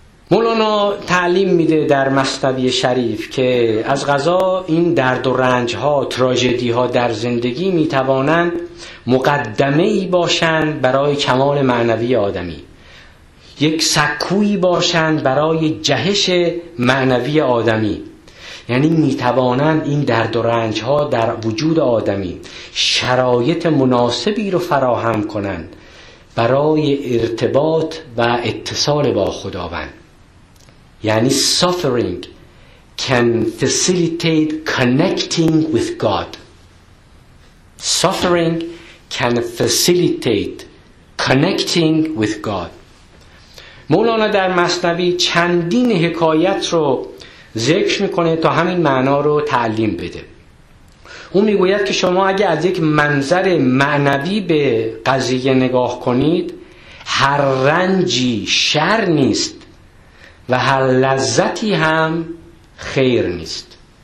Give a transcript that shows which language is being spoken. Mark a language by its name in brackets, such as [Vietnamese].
[Persian] مولانا تعلیم میده در مثنوی شریف که از قضا این درد و رنج ها، تراژدی ها در زندگی میتوانند مقدمه ای باشند برای کمال معنوی آدمی، یک سکویی باشند برای جهش معنوی آدمی. یعنی میتوانند این درد و رنج ها در وجود آدمی شرایط مناسبی رو فراهم کنند برای ارتباط و اتصال با خداوند. یعنی [English] suffering can facilitate connecting with God. Suffering can facilitate connecting with God. [Persian] مولانا در مثنوی چندین حکایت رو ذکر میکنه تا همین معنا رو تعلیم بده. اون میگوید که شما اگه از یک منظر معنوی به قضیه نگاه کنید، هر رنجی شر نیست و هر لذتی هم خیر نیست.